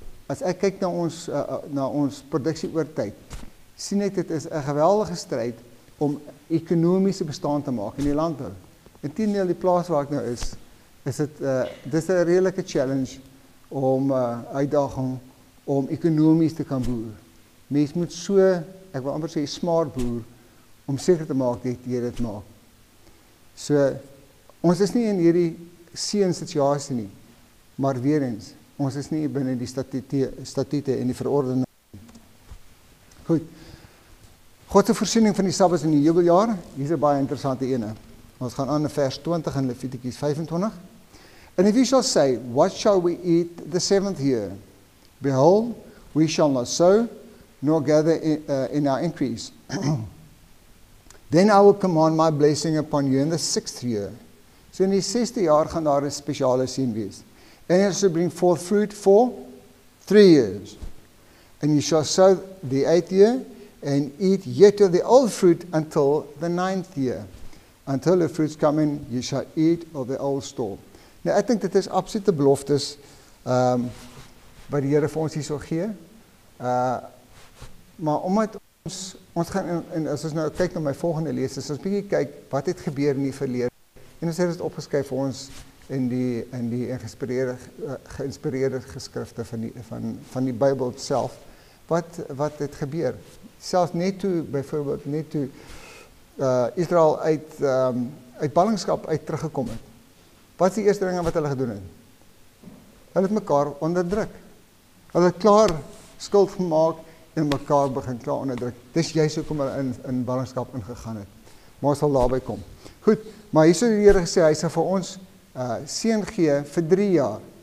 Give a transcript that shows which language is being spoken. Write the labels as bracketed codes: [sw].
[af] As ek kyk na ons produksie oor tyd, sien ek dit is 'n geweldige stryd om ekonomiese bestaan te maak in die land. In 10 deel die plaas waar ek nou is, dis een redelike challenge om uitdaging om ekonomies te kan boer. Mens moet so, ek wil amper sê, smart boer, om seker te maak dat jy dit maak. So, ons is nie in hierdie seën situasie nie, maar weer eens, ons is nie binnen die statute en die verordening. Goed, Godse voorsiening van die Sabbat in die jubeljaar, hier is een baie interessante ene. Ons gaan aan vers 20 in Leviticus 25. [en] And if you shall say, what shall we eat the seventh year? Behold, we shall not sow, nor gather in our increase. Then I will command my blessing upon you in the sixth year. [af] So in die 6de jaar gaan daar een speciale sien wees. [en] And it shall bring forth fruit for 3 years. And you shall sow the 8th year, and eat yet of the old fruit until the 9th year. Until the fruits come in, you shall eat of the old store. [af] Nou, ek dink dit is absolute beloftes wat die Here vir ons hier sal gee. Maar omdat ons gaan, en as ons nou kyk na my volgende lees, as ons bietjie kyk, wat het gebeur in die verlede, en ons het opgeskryf vir ons in die geïnspireerde geskrifte van die Bybel self, wat het gebeur. Selfs net toe, byvoorbeeld, net toe Israel uit ballingskap uit teruggekom het, wat is die eerste dinge wat hulle gedoen het? Hulle het mekaar onderdruk. Hulle het klaar skuld gemaak en mekaar begin klaar onderdruk. Dis juist hoekom hulle in ballingskap ingegaan het. Maar ons sal daarby kom. Goed, maar hier so die Here gesê, hy sê vir ons seën gee vir 3 jaar.